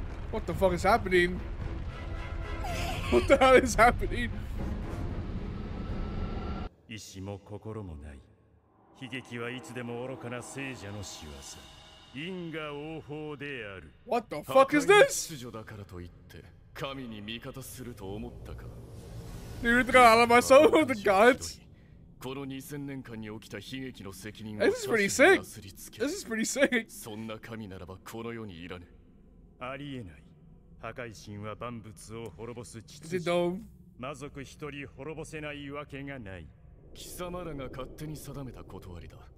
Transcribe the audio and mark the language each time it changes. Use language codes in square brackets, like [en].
[en] What the fuck is happening? What the hell is happening? [ja] 意志も心もない。悲劇はいつでも愚かな聖者の仕業。因果応報である。 [en] What the fuck is this? [ja] 破壊の秩序だからといって。神に味方すると思ったか? [en] You're the god of my soul, the gods? [ja] この 2000年間に起きた悲劇の責任を [en] This is pretty sick. This is pretty sick. [ja] そんな神ならばこの世にいらぬ。ありえない。破壊神は万物を滅ぼす秩序。 [en] Is it dumb? [ja] 魔族一人滅ぼせないわけがない。貴様らが勝手に定めた断りだ。